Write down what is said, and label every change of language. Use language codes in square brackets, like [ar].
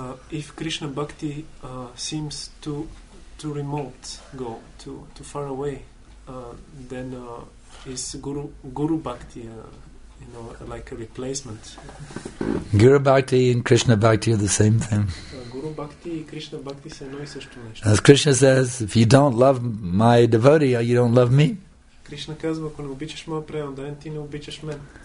[en] If Krishna Bhakti seems too remote goal, too far away, then is Guru Bhakti like a replacement? Guru Bhakti and Krishna Bhakti are the same thing. Guru Bhakti and Krishna Bhakti [bg] са едно и също нещо. [en] As Krishna says, if you don't love my devotee, you don't love me. [bg] Krishna казва, ако не обичаш моя преданен, ти не обичаш мен.